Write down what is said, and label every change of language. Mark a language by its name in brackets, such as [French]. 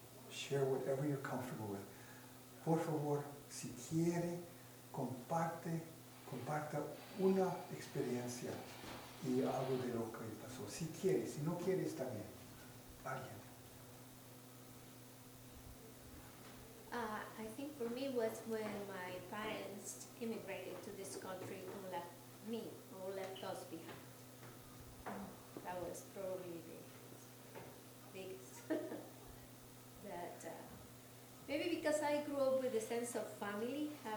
[English] Share whatever you're comfortable with. [Spanish] Por favor, si quiere, comparta una experiencia y algo de lo que pasó. Si quiere, si no quiere, está bien. Alguien. [English] I think for me was when my parents immigrated to this country and left me, or left us behind. That was probably the biggest. But maybe because I grew up with a sense of family.